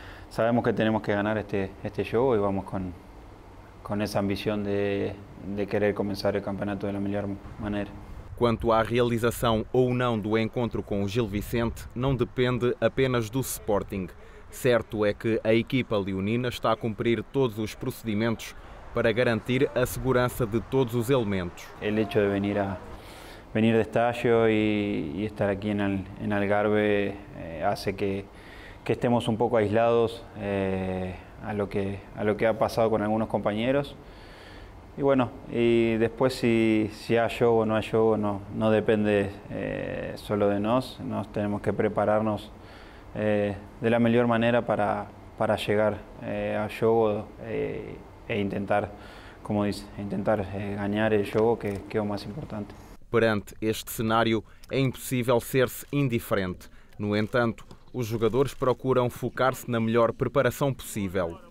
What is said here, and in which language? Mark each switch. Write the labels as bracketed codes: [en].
[es] Sabemos que tenemos que ganar este juego y vamos con esa ambición de querer comenzar el campeonato de la mejor manera. [pt] Quanto à realização ou não do encontro com o Gil Vicente, não depende apenas do Sporting. Certo é que a equipa leonina está a cumprir todos os procedimentos para garantir a segurança de todos os elementos. [es] El hecho de venir de estadio y estar aquí en Algarve hace que estemos un poco aislados a lo que ha pasado con algunos compañeros. Y bueno, y después si hay show o no hay show, no depende solo de nos tenemos que prepararnos de la mejor manera para llegar a show e intentar, como dice, intentar ganar el show que es lo más importante. [pt] Perante este cenário, é impossível ser-se indiferente. No entanto, os jogadores procuram focar-se na melhor preparação possível.